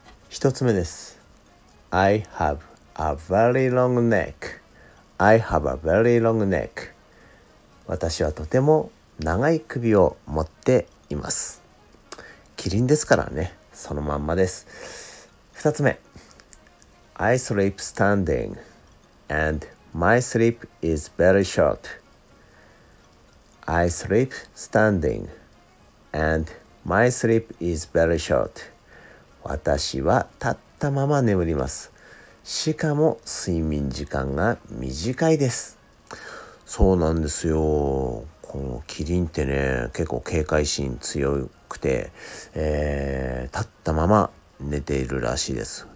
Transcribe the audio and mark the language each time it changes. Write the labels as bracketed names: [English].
[Japanese] 1つ目です。 [English] I have a very long neck. I have a very long neck. [Japanese] 私はとても長い首を持っています。キリンですからね、そのまんまです。 2つ目。 [English] I sleep standing and my sleep is very short. I sleep standing and my sleep is very short. [Japanese] 私は立ったまま眠ります。しかも睡眠時間が短いです。そうなんですよ。このキリンってね、結構警戒心強くて、立ったまま寝ているらしいです。